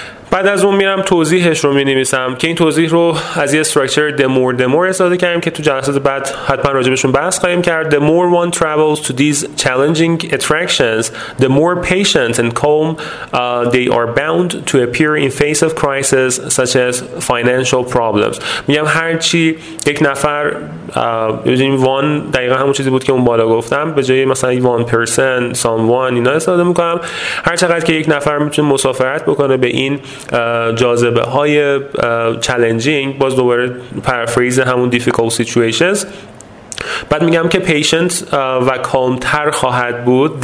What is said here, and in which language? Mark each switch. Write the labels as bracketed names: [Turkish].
[Persian] بعد از اون میرم توضیحش رو می‌نویسم که این توضیح رو از یه استراکچر the more استفاده کردیم که تو جلسات بعد حتما راجبشون بحث خواهیم کرد. [English] The more one travels to these challenging attractions, the more patient and calm they are bound to appear in face of crises such as financial problems. [Persian] میگم هر چی یک نفر این وان دقیقا همون چیزی بود که اون بالا گفتم, به جای مثلا one person, someone اینا استفاده می‌کنم. هر چقدر که یک نفر میتونه مسافرت بکنه به این جاذبه های چالنجینگ, باز دوباره پرفریز همون difficult situations, بعد میگم که پیشنت و کالم تر خواهد بود.